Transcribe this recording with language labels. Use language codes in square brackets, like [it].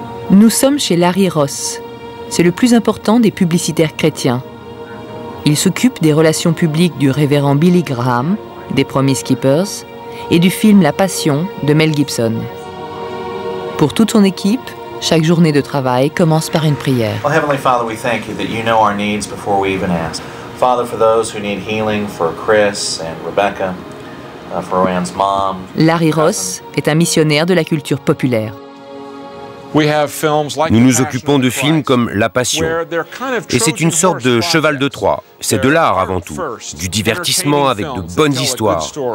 [fr] Nous sommes chez Larry Ross. C'est le plus important des publicitaires chrétiens. Il s'occupe des relations publiques du révérend Billy Graham, des Promise Keepers, et du film La Passion de Mel Gibson. Pour toute son équipe, chaque journée de travail commence par une prière. [en] Well, Heavenly Father, we thank you that you know our needs before we even ask. Father, for those who need healing, for Chris and Rebecca, for Rowan's mom. [fr] Larry Ross est un missionnaire de la culture populaire. Nous nous occupons de films comme La Passion. Et c'est une sorte de cheval de Troie. C'est de l'art avant tout, du divertissement avec de bonnes histoires.